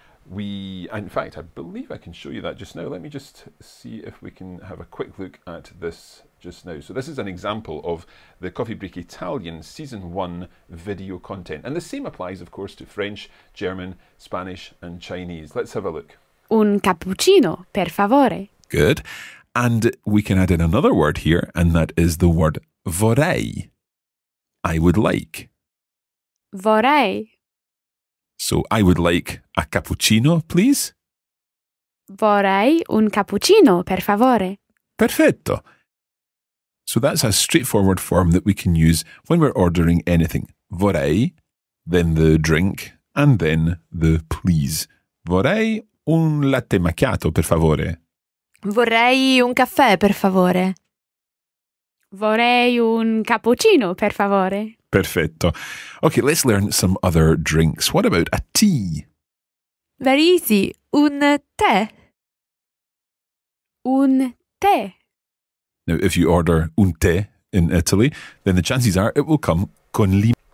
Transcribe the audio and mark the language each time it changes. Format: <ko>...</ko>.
<en>In fact, I believe I can show you that just now. Let me just see if we can have a quick look at this just now. So this is an example of the Coffee Break Italian Season 1 video content. And the same applies, of course, to French, German, Spanish, and Chinese. Let's have a look.</en> <it>Un cappuccino, per favore.</it> <en>Good. And we can add in another word here, and that is the word vorrei. I would like.</en> <it>Vorrei.</it> <en>So I would like a cappuccino, please.</en> <it>Vorrei un cappuccino, per favore. Perfetto.</it> <en>So that's a straightforward form that we can use when we're ordering anything. Vorrei, then the drink, and then the please.</en> <it>Vorrei un latte macchiato, per favore. Vorrei un caffè, per favore. Vorrei un cappuccino, per favore. Perfetto.</it> <en>Okay, let's learn some other drinks. What about a tea? Very easy.</en> <it>Un tè. Un tè.</it> <en>Now, if you order un tè in Italy, then the chances are it will come</en> <it>con limone.</it>